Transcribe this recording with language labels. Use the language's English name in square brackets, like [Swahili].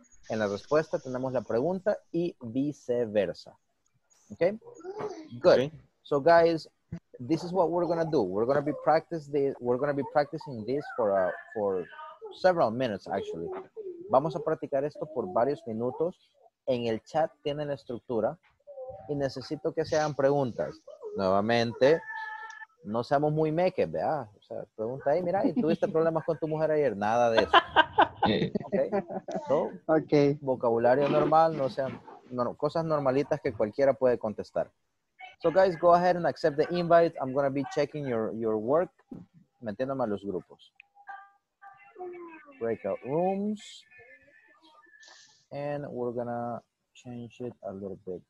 [Spanish] En la respuesta tenemos la pregunta y viceversa. [English] Okay? Good. Okay. So guys, this is what we're going to do. We're going to be practicing this for several minutes actually. [Spanish] Vamos a practicar esto por varios minutos. En el chat tienen la estructura y necesito que se hagan preguntas. Nuevamente, no seamos muy meques, ¿vea? O sea, pregunta ahí, mira, ¿y tuviste problemas con tu mujer ayer? Nada de eso. [English] Okay. So, okay. [Spanish] Vocabulario normal, no sean no, cosas normalitas que cualquiera puede contestar. [English] So, guys, go ahead and accept the invite. I'm going to be checking your work, [Spanish] metiéndome a los grupos. [English] Breakout rooms. And we're going to change it a little bit.